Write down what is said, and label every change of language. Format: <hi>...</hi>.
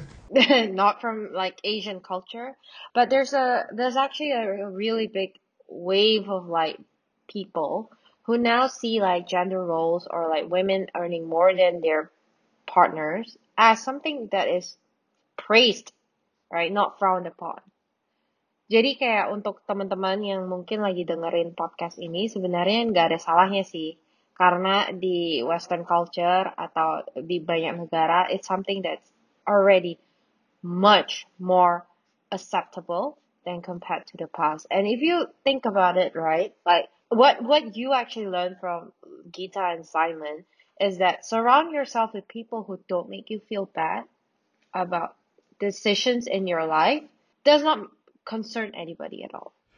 <en>Not from like Asian culture, but there's actually a really big wave of like people who now see like gender roles or like women earning more than their partners as something that is praised, right? Not frowned upon.</en> <id>Jadi kayak untuk teman-teman yang mungkin lagi dengerin podcast ini, sebenarnya nggak ada salahnya sih. Karena di Western culture atau di banyak negara,</id> <en>it's something that's already much more acceptable than compared to the past. And if you think about it, right, like what you actually learned from Gita and Simon is that surround yourself with people who don't make you feel bad about decisions in your life does not concern anybody at all.</en>